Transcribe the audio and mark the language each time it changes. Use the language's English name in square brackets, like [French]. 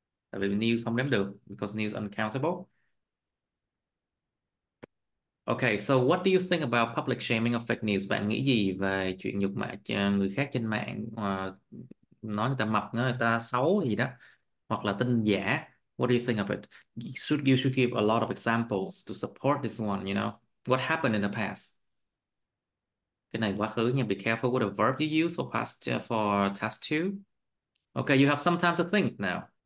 [Vietnamese] Tại vì news không đếm được, [English] because news uncountable. Okay, so what do you think about public shaming of fake news? [Vietnamese] Bạn nghĩ gì về chuyện nhục mạ người khác trên mạng, nói người ta mập, người ta xấu gì đó, hoặc là tin giả? [English] What do you think of it? You should give a lot of examples to support this one, you know? What happened in the past? [Vietnamese] Cái này quá khứ nha. [English] Be careful with the verb you use for past for task two. Okay, you have some time to think now.